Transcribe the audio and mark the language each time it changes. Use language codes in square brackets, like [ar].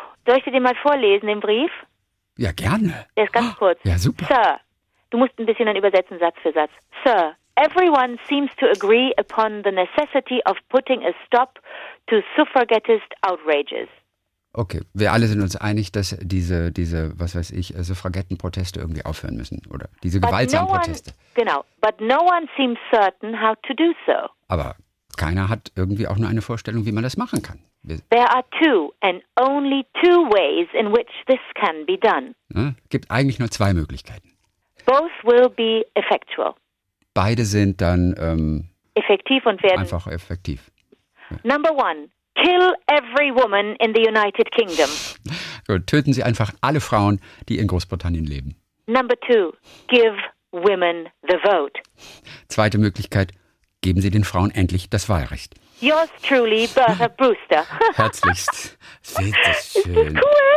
[de] Soll ich dir den mal vorlesen, den Brief? Ja, gerne. Der ist ganz kurz. Ja, super. Sir, du musst ein bisschen dann übersetzen, Satz für Satz. [en] Sir, everyone seems to agree upon the necessity of putting a stop to suffragettist outrages. [de] Okay, wir alle sind uns einig, dass diese, was weiß ich, Suffragettenproteste irgendwie aufhören müssen, oder? Diese gewaltsamen Proteste. [en] Genau, but no one seems certain how to do so. [de] Aber keiner hat irgendwie auch nur eine Vorstellung, wie man das machen kann. [en] There are two and only two ways in which this can be done. [de] Ne? Gibt eigentlich nur zwei Möglichkeiten. [en] Both will be effectual. [de] Beide sind dann effektiv und werden einfach effektiv. [en] Ja. Number one. Kill every woman in the United Kingdom. [de] Gut, töten Sie einfach alle Frauen, die in Großbritannien leben. [en] Number two, give women the vote. [de] Zweite Möglichkeit, geben Sie den Frauen endlich das Wahlrecht. [en] Yours truly, Bertha Brewster. [de] Herzlichst. Seht das schön. Ist das cool?